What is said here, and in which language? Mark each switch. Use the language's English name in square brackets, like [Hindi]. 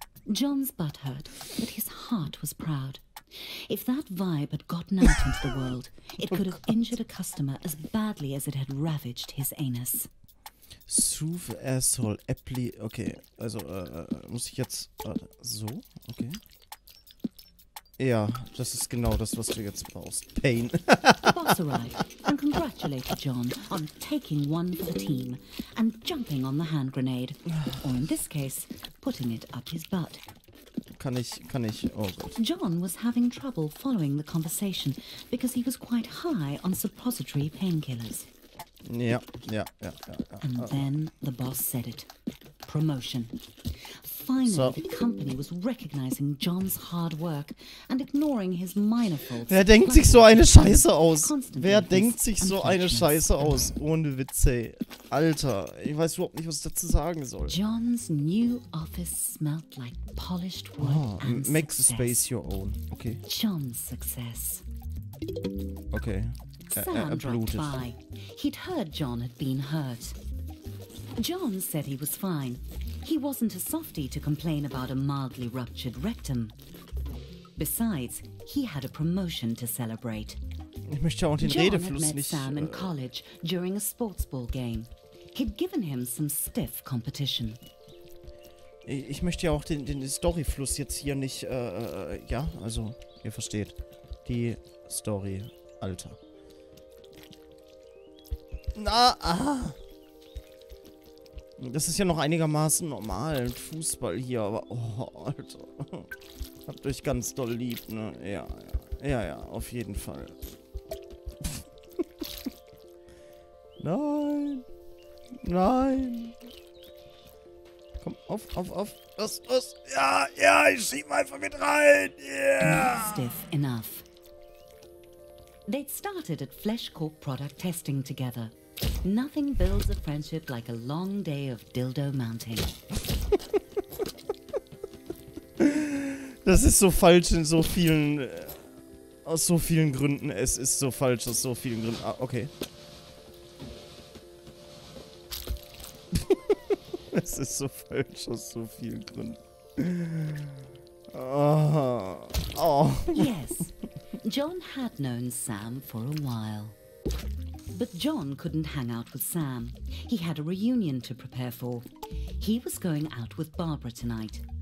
[English] John's butt hurt, but his heart was proud. If that vibe had gotten out into the world, it could have injured a customer as badly as it had ravaged his anus. Soothe asshole, apply. [German] Okay, also muss ich jetzt so? Okay. Ja, das ist genau das, was du jetzt brauchst. [English] Pain. The boss arrived and congratulated John on taking one for the team and jumping on the hand grenade, or in this case, putting it up his butt. [German] Kann ich, oh Gott. [English] John was having trouble following the conversation because he was quite high on suppository painkillers. [German] Ja. [English] And then the boss said it. Promotion. Finally, so. The company was recognizing John's hard work and ignoring his minor faults. [German] Wer denkt sich so eine Scheiße aus? Wer denkt sich so eine Scheiße aus? Ohne Witze. Alter, ich weiß überhaupt nicht, was ich dazu sagen soll. [English] John's new office smelled like polished wood and success. Make the space your own. Okay. John's success. Okay. Sam dropped by. He'd heard John had been hurt. John said he was fine. He wasn't a softie to complain about a mildly ruptured rectum. Besides, he had a promotion to celebrate. [German] Ich möchte auch den Redefluss nicht. [English] John had met Sam in college during a sports ball game. He'd given him some stiff competition. [German] Ich möchte ja auch den Storyfluss jetzt hier nicht. Ja, also ihr versteht die Story, Alter. Na, ah. Das ist ja noch einigermaßen normal, Fußball hier, aber oh, Alter. Habt euch ganz doll lieb, ne? Ja, auf jeden Fall. Nein. Komm, auf. Was? Ja, ich schieb mal einfach mit rein. [English] Stiff enough. They'd started at FleshCorp product testing together. Nothing builds a friendship like a long day of dildo mounting. [German] Das ist so falsch in so vielen, aus so vielen Gründen. Es ist so falsch aus so vielen Gründen. Ah, okay. Es ist so falsch aus so vielen Gründen. Oh. [English] Yes. John had known Sam for a while. But John couldn't hang out with Sam. He had a reunion to prepare for. He was going out with Barbara tonight.